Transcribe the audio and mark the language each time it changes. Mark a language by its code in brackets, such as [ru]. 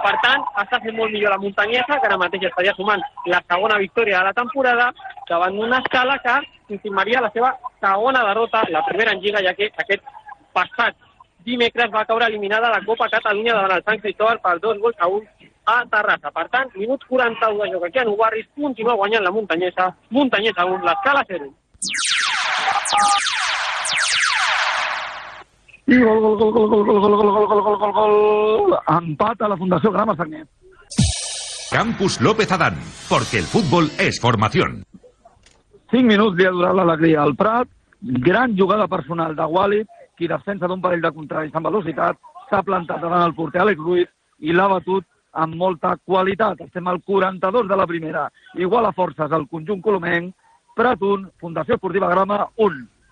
[ca] Per tant, està fent molt millor la muntanyesa, que ara mateix estaria sumant la segona victòria de la temporada davant d'una escala que confirmaria la seva segona derrota, la primera en lliga, ja que aquest passat dimecres va caure eliminada la Copa Catalunya davant el Sant Cristóbal per 2-1 a Terrassa. Per tant, minut 41 de joc aquí a Nou Barris, continua guanyant la muntanyesa, muntanyesa 1, l'escala 0. I gol, gol, gol, gol, gol, gol, gol, gol, gol, gol, gol, gol, gol. Empat a la Fundació Grama Sagnier. [es] Campus López Adán, porque el fútbol es formación. [ca] 5 minuts li ha durat l'alegria al Prat, gran jugada personal de Wally, qui defensa d'un parell de contraris amb velocitat, s'ha plantat davant el porter Àlex Ruiz i l'ha batut amb molta qualitat. Estem al 42 de la primera. Igual a forces el conjunt colomenc, Prat 1, Fundació Esportiva Grama 1.